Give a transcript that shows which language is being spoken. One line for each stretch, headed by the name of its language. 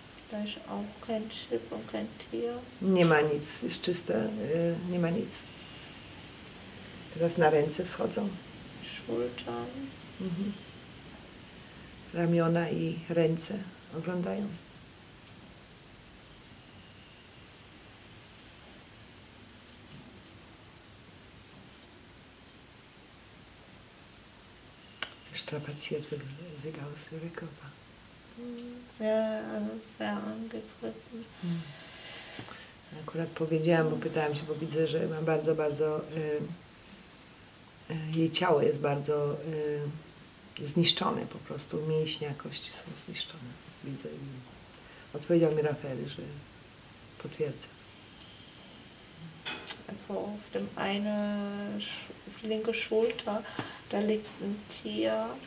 German: Da ist auch kein Chip und kein Tier.
Polish: Nie ma nic, jest czyste, nie ma nic. Teraz na ręce schodzą.
German: Schultern. Mhm.
Polish: Ramiona i ręce oglądają.
German: Strapaziert wird, sieht aus wie der Körper. Sehr angegriffen.
Polish: Akurat powiedziałam, bo pytałam się, bo widzę, że ma bardzo, bardzo. Jej ciało jest bardzo zniszczone po prostu. Mięśnia, kości są zniszczone. Widzę. Odpowiedział mi Rafael, że potwierdza.
German: Also auf dem eine, auf die linke Schulter, da liegt ein Tier.